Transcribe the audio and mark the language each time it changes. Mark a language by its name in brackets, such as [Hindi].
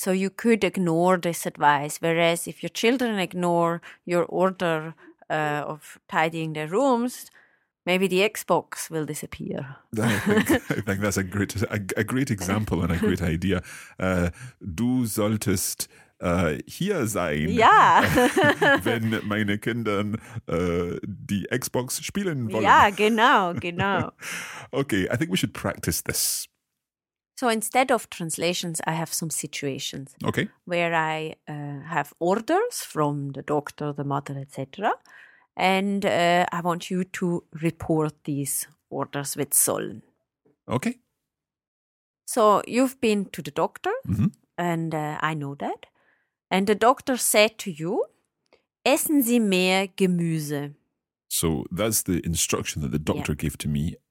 [English] So you could ignore this advice. Whereas if your children ignore your order of tidying their rooms, maybe the Xbox will disappear. I think that's a great example and a great idea. [German] Du solltest hier sein. [English] Yeah. [German] Wenn meine Kinder die Xbox spielen wollen. [English] Yeah, [German] genau. [English] Okay, I think we should practice this. So instead of translations, I have some situations. Okay. Where I have orders from the doctor, the mother, etc. And I want you to report these orders with sollen. Okay. So you've been to the doctor, mm-hmm. and I know that. And the doctor said to you, [German] essen Sie mehr Gemüse. [English] So that's the instruction that the doctor gave to me.